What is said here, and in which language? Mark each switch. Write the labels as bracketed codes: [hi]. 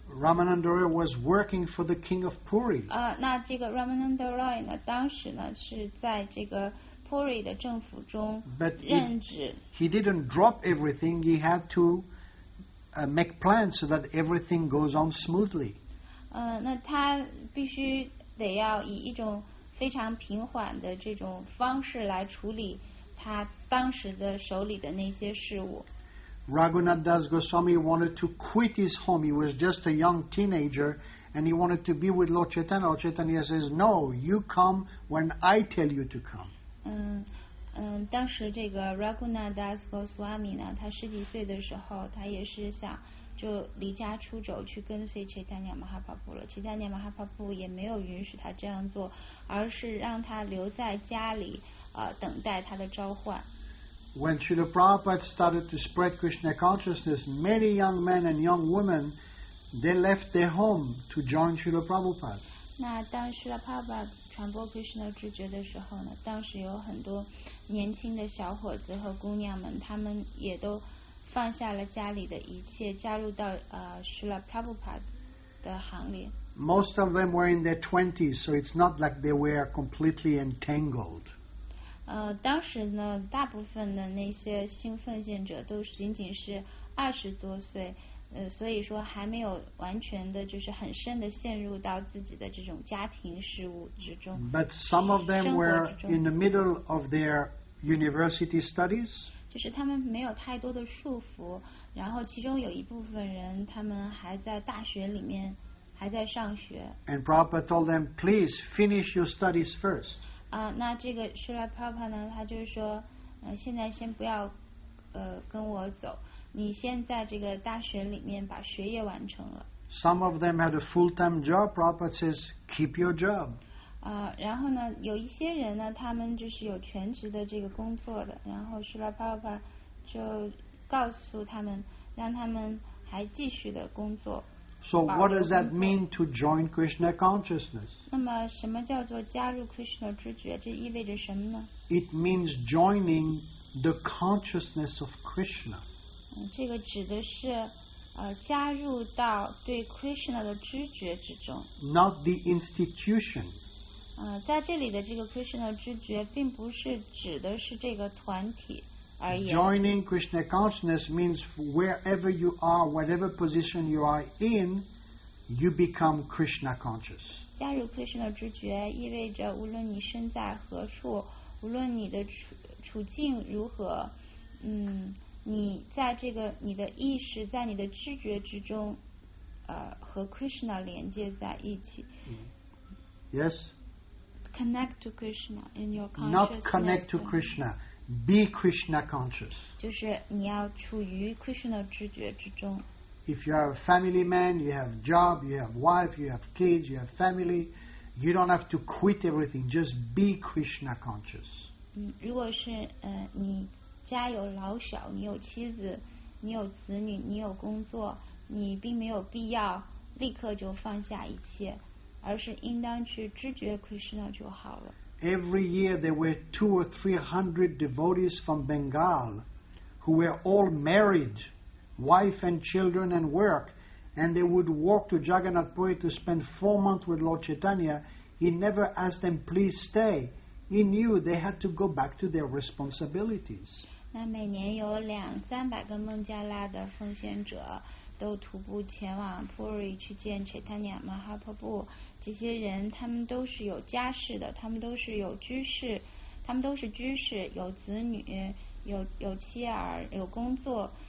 [en] Ramananda Roy was working for the king of Puri. [zh] 那这个 Ramananda Roy 呢，当时呢是在这个 Puri 的政府中任职。 [en] He didn't drop everything. He had to make plans so that everything goes on smoothly. [zh] 那他必须得要以一种非常平缓的这种方式来处理他当时的手里的那些事物。 [en] Raghunath Das Goswami wanted to quit his home. He was just a young teenager, and he wanted to be with Lord Chaitanya. Lord Chaitanya says, "No, you come when I tell you to come." [zh] 当时这个 Raghunath Das Goswami 呢，他十几岁的时候，他也是想就离家出走去跟随 Chaitanya Mahaprabhu 了。 Chaitanya Mahaprabhu 也没有允许他这样做，而是让他留在家里，等待他的召唤。 [en] When Srila Prabhupada started to spread Krishna consciousness, many young men and young women, they left their home to join Srila Prabhupada. [zh] 那当 Srila Prabhupada 传播 Krishna 知觉的时候呢，当时有很多年轻的小伙子和姑娘们，他们也都放下了家里的一切，加入到Srila Prabhupada 的行列。 [en] Most of them were in their 20s, so it's not like they were completely entangled. [zh] 当时呢，大部分的那些新奉献者都仅仅是二十多岁，所以说还没有完全的，就是很深的陷入到自己的这种家庭事务之中。 [en] But some of them were in the middle of their university studies. [zh] 就是他们没有太多的束缚，然后其中有一部分人，他们还在大学里面，还在上学。 [en] And Prabhupada told them, "Please finish your studies first." [zh] 那这个 Srila Prabhupada 呢，他就是说，现在先不要，跟我走。你先在这个大学里面把学业完成了。 [en] Some of them had a full-time job. Prabhupada says, "Keep your job." [zh] 然后呢，有一些人呢，他们就是有全职的这个工作的。然后 Srila Prabhupada 就告诉他们，让他们还继续的工作。 [en] So what does that mean to join Krishna consciousness? [zh] 那么什么叫做加入 Krishna 知觉？这意味着什么呢 [en] ？It means joining the consciousness of Krishna. [zh] 这个指的是加入到对 Krishna 的知觉之中。 [en] Not the institution. [zh] 在这里的这个 Krishna 知觉并不是指的是这个团体而言。 [en] Joining Krishna consciousness means wherever you are, whatever position you are in, you become Krishna conscious. [zh] 加入 Krishna 知觉意味着无论你身在何处，无论你的处境如何，你在这个你的意识在你的知觉之中，和 Krishna 连接在一起。 [en] Yes. Connect to Krishna in your consciousness. Not connect to Krishna. Be Krishna conscious. [zh] 就是你要处于 Krishna 知觉之中。 [en] If you are a family man, you have job, you have wife, you have kids, you have family, you don't have to quit everything. Just be Krishna conscious. [zh] 如果是你家有老小，你有妻子，你有子女，你有工作，你并没有必要立刻就放下一切，而是应当去知觉 Krishna 就好了。 [en] Every year there were 200 or 300 devotees from Bengal who were all married, wife and children and work, and they would walk to Jagannath Puri to spend 4 months with Lord Chaitanya, he never asked them, please stay. He knew they had to go back to their responsibilities. [zh] 那每年有200-300个孟加拉的奉献者都徒步前往 Puri 去见 Chaitanya Mahaprabhu。这些人他们都是有家室的，他们都是有居室，他们都是居士，有子女，有妻儿，有工作。